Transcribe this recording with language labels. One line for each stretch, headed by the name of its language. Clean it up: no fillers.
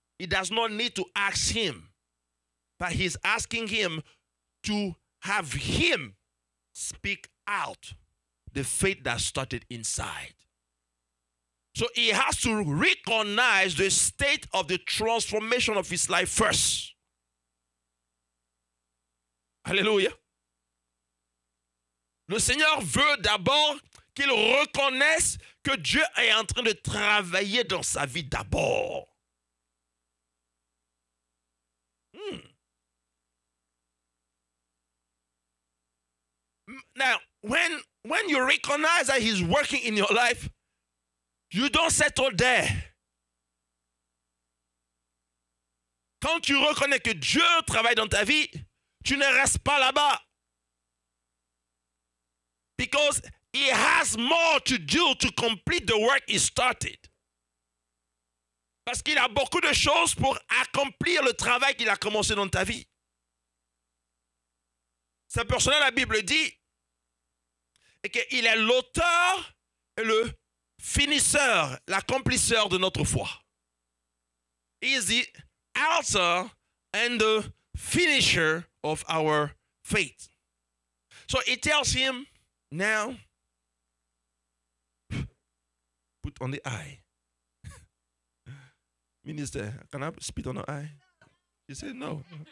English: He does not need to ask him, but he's asking him to have him speak out the faith that started inside. So he has to recognize the state of the transformation of his life first. Hallelujah.
French: Le Seigneur veut d'abord qu'il reconnaisse que Dieu est en train de travailler dans sa vie d'abord.
English: Now, when you recognize that he's working in your life, you don't settle there.
French: Quand tu reconnais que Dieu travaille dans ta vie, tu ne restes pas là-bas.
English: Because he has more to do to complete the work he started.
French: Parce qu'il a beaucoup de choses pour accomplir le travail qu'il a commencé dans ta vie. C'est pour cela la Bible dit qu'il est l'auteur et le finisseur, l'accomplisseur de notre foi.
English: He is the author and the finisher of our faith. So it tells him now, put on the eye. Minister, can I spit on the eye? He said no.